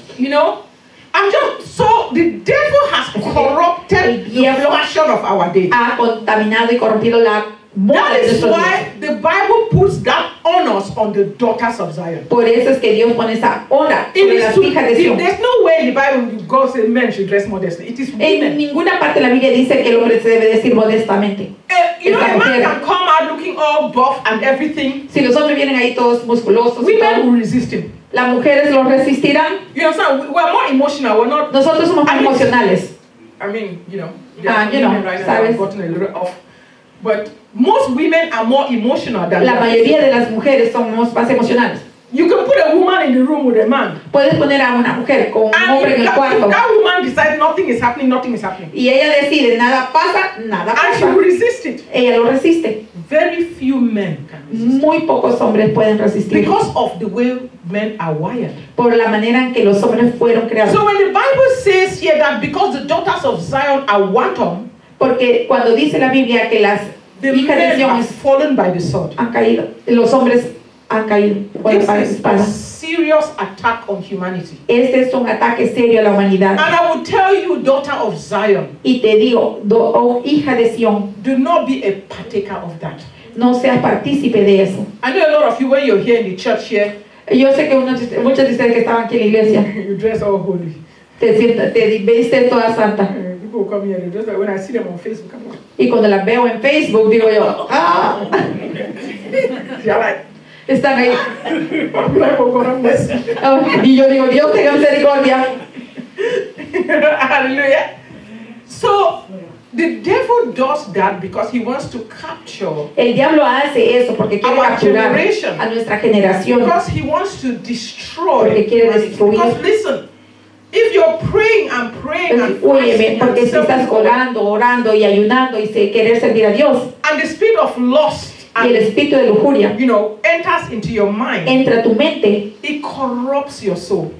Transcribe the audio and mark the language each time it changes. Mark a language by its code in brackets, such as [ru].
[en] You know, I'm just so the devil has corrupted the fashion of our day. [es] Ha contaminado y corrompido la moda de nuestros días. [en] That is why the Bible puts that honor on the daughters of Zion. [es] Por eso es que Dios pone esa honra sobre las hijas de Sion. [en] There's no way in the Bible God says men should dress modestly. It is women. [es] En ninguna parte de la Biblia dice que el hombre se debe vestir modestamente. [en] You know, a man can come out looking all buff and everything. [es] Si los hombres vienen ahí todos musculosos, [en] women will resist him. [es] Las mujeres lo resistirán. [en] You know, we are more emotional. We're not. [es] Nosotros somos más emocionales. [en] I mean, you know, [es] sabes. [en] Off. But most women are more emotional than. [es] La mayoría de las mujeres somos más emocionales. [en] You can put a woman in the room with a man. [es] Puedes poner a una mujer con un hombre en el cuarto. [en] And that woman decides nothing is happening, nothing is happening. [es] Y ella decide nada pasa, nada pasa. [en] And she resists it. [es] Ella lo resiste. [en] Very few men can resist. [es] Muy pocos hombres pueden resistir. [en] Because of the way men are wired. [es] Por la manera en que los hombres fueron creados. [en] So when the Bible says here that because the daughters of Zion are wanton, [es] porque cuando dice la Biblia que las hijas de Sion [en] have fallen by the sword, [es] han caído, los hombres han caído. [en] This is a serious attack on humanity. [es] Este es un ataque serio a la humanidad. [en] And I will tell you, daughter of Zion. [es] Y te digo, hija de Sion. [en] Do not be a partaker of that. [es] No seas partícipe de eso. [en] I know a lot of you when you're here in the church here. [es] Yo sé que muchos de ustedes que estaban aquí en la iglesia. [en] You dress all holy. [es] Te viste toda santa. [en] People come here and dress like when I see them on Facebook. [es] Y cuando las veo en Facebook digo yo, ah. Están ahí. Oh, y yo digo, Dios tenga misericordia. Aleluya. [en] So, the devil does that because he wants to capture. [es] El diablo hace eso porque quiere capturar a nuestra generación. [en] Because he wants to destroy. [es] Porque quiere destruir. [en] Because listen, if you're praying and praying and [es] óyeme, porque si estás orando y ayunando y querer servir a Dios. [en] And the spirit of lust. [es] Y el espíritu de lujuria, [en] you know, enters into your mind, [es] entra a tu mente, [en] it corrupts your soul,